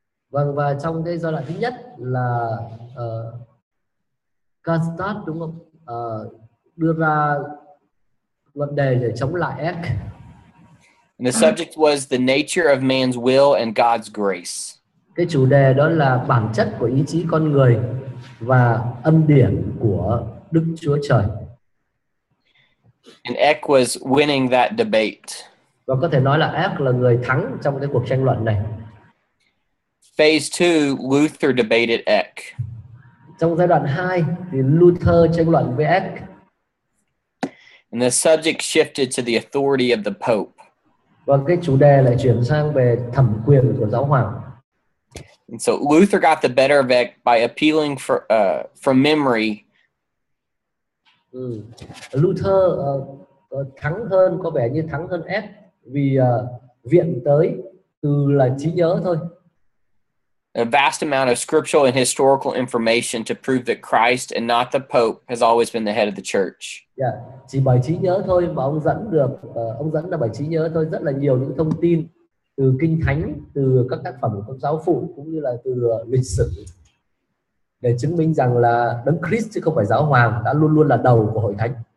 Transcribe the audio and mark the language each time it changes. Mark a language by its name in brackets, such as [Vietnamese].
[Vietnamese] Vâng, và trong cái giai đoạn thứ nhất là Karlstadt đúng không? Đưa ra luận đề để chống lại Eck. [English] And the subject was the nature of man's will and God's grace. [Vietnamese] Cái chủ đề đó là bản chất của ý chí con người và ân điển của Đức Chúa Trời. [English] And Eck was winning that debate. [Vietnamese] Và có thể nói là Eck là người thắng trong cái cuộc tranh luận này. [English] Phase 2, Luther debated Eck. [Vietnamese] Trong giai đoạn 2 thì Luther tranh luận với Eck. [English] And the subject shifted to the authority of the Pope. [Vietnamese] Và cái chủ đề lại chuyển sang về thẩm quyền của giáo hoàng. [English] And so Luther got the better of Eck by appealing from memory. [Vietnamese] Luther thắng hơn, có vẻ như thắng hơn Eck vì viện tới từ là trí nhớ thôi. [English] A vast amount of scriptural and historical information to prove that Christ and not the Pope has always been the head of the church. [Vietnamese] Yeah, chỉ bởi trí nhớ thôi mà ông dẫn được, ông dẫn là bởi trí nhớ thôi rất là nhiều những thông tin từ kinh thánh, từ các tác phẩm của giáo phụ cũng như là từ lịch sử để chứng minh rằng là Đấng Christ chứ không phải giáo hoàng đã luôn luôn là đầu của hội thánh.